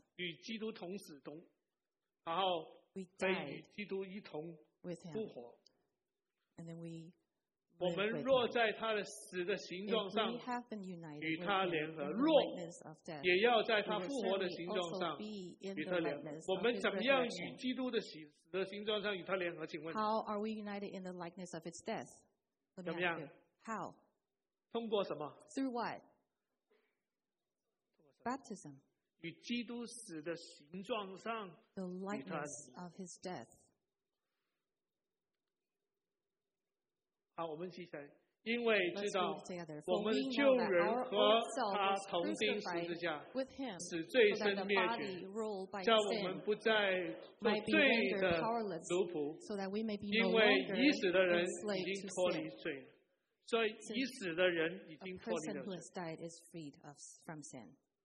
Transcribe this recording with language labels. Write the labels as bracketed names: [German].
[Chinese] 与基督同死同然后可以与基督一同复活。 [English] And then we [Chinese] 我们若在他的死的形状上与他联合若也要在他复活的形状上与他联合。我们怎么样与基督的死的形状上与他联合请问 [English] How are we united in the likeness of its death? [Chinese] 怎么样 [English] How? [Chinese] 通过什么 [English] Through what? Baptism. [Chinese] 与基督死的形状上 [English] The likeness of his death. [Chinese] 好我们接下来因为知道我们旧人和他同钉十字架，使罪身灭绝，叫我们不再做罪的奴仆，因为已死的人已经脱离罪了。所以已死的人已经脱离了罪。 [English] A person who has died is freed from sin.